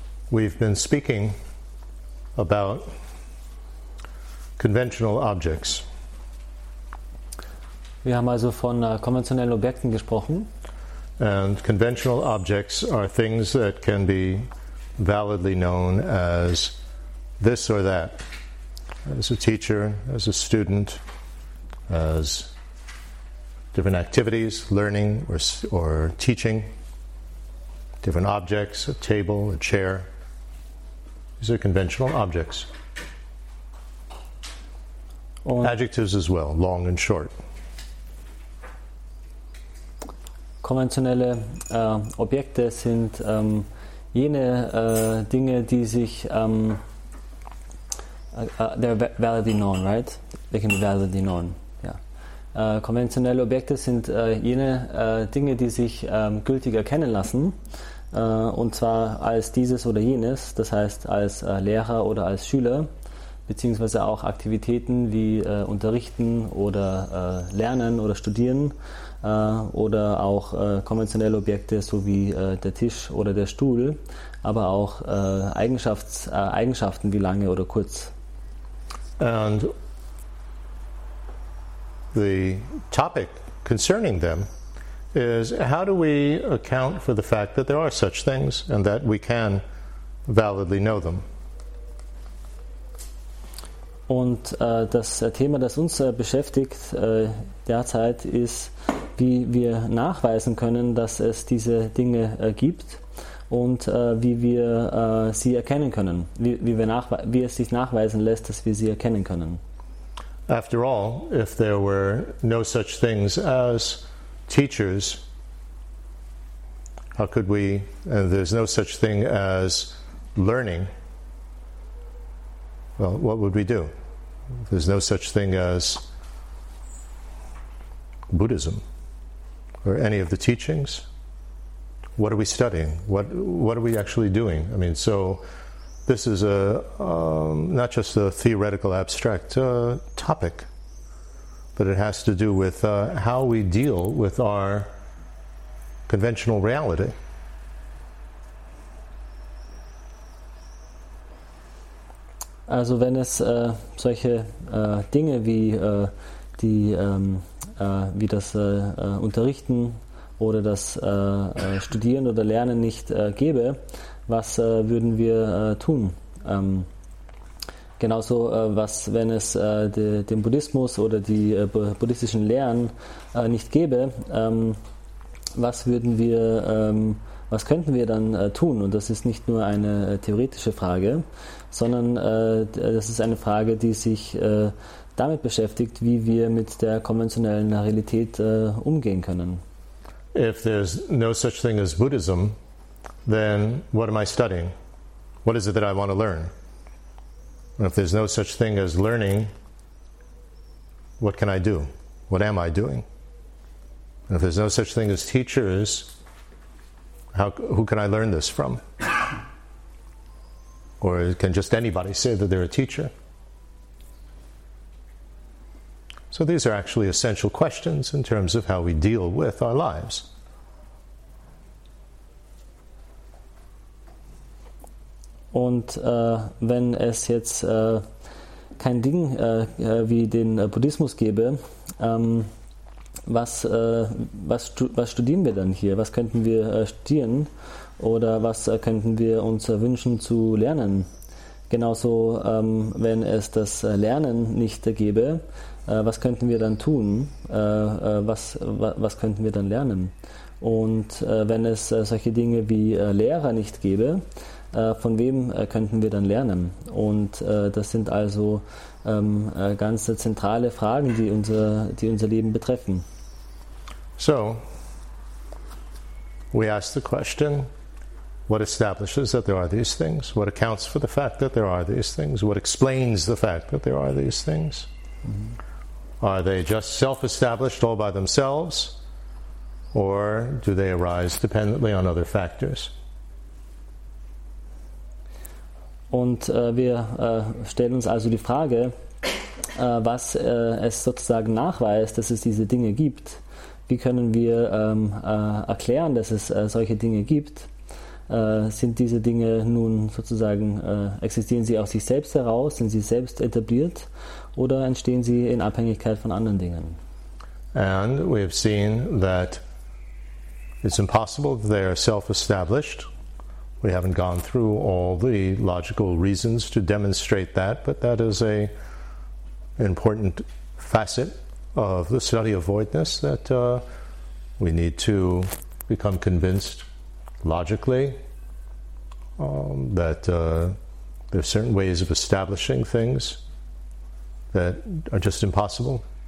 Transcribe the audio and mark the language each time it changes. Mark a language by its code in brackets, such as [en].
[en] We've been speaking about conventional objects. [de] Wir haben also von konventionellen Objekten gesprochen. [en] And conventional objects are things that can be validly known as this or that, as a teacher, as a student, as different activities, learning or teaching, different objects, a table, a chair. These are conventional objects. Und adjectives as well, long and short. [de] Konventionelle Objekte sind jene Dinge, die sich [en] they're validly known, right? They can be validly known. Yeah. [de] Konventionelle Objekte sind jene Dinge, die sich gültig erkennen lassen. Und zwar als dieses oder jenes, das heißt als Lehrer oder als Schüler, beziehungsweise auch Aktivitäten wie Unterrichten oder Lernen oder Studieren oder auch konventionelle Objekte, so wie der Tisch oder der Stuhl, aber auch Eigenschaften wie lange oder kurz. [en] And the topic concerning them is how do we account for the fact that there are such things and that we can validly know them? [de] Und das Thema, das uns beschäftigt derzeit, ist, wie wir nachweisen können, dass es diese Dinge gibt und wie wir sie erkennen können, wie es sich nachweisen lässt, dass wir sie erkennen können. [en] After all, if there were no such things as teachers, how could we, and there's no such thing as learning, well, what would we do? There's no such thing as Buddhism or any of the teachings. What are we studying? What are we actually doing? I mean, so this is a not just a theoretical abstract topic, but it has to do with how we deal with our conventional reality. [de] Also wenn es solche Dinge wie die wie das Unterrichten oder das Studieren oder Lernen nicht gäbe, was würden wir tun? Genauso was, wenn es den Buddhismus oder die buddhistischen Lehren nicht gäbe, was würden wir, was könnten wir dann tun? Und das ist nicht nur eine theoretische Frage, sondern das ist eine Frage, die sich damit beschäftigt, wie wir mit der konventionellen Realität umgehen können. [en] If there's no such thing as Buddhism, then what am I studying? What is it that I want to learn? And if there's no such thing as learning, what can I do? What am I doing? And if there's no such thing as teachers, who can I learn this from? Or can just anybody say that they're a teacher? So these are actually essential questions in terms of how we deal with our lives. [de] Und wenn es jetzt kein Ding wie den Buddhismus gäbe, was studieren wir dann hier? Was könnten wir studieren? Oder was könnten wir uns wünschen zu lernen? Genauso, wenn es das Lernen nicht gäbe, was könnten wir dann tun? Was könnten wir dann lernen? Und wenn es solche Dinge wie Lehrer nicht gäbe, von wem könnten wir dann lernen? Und das sind also ganz zentrale Fragen, die unser Leben betreffen. [en] So, we ask the question, what establishes that there are these things? What accounts for the fact that there are these things? What explains the fact that there are these things? Mm-hmm. Are they just self-established all by themselves? Or do they arise dependently on other factors? [de] Und wir stellen uns also die Frage, was es sozusagen nachweist, dass es diese Dinge gibt. Wie können wir erklären, dass es solche Dinge gibt? sind diese Dinge nun sozusagen, existieren sie aus sich selbst heraus, sind sie selbst etabliert oder entstehen sie in Abhängigkeit von anderen Dingen? [en] And we have seen that it's impossible that they are self-established. We haven't gone through all the logical reasons to demonstrate that, but that is an important facet of the study of voidness, that we need to become convinced logically that there are certain ways of establishing things that are just impossible.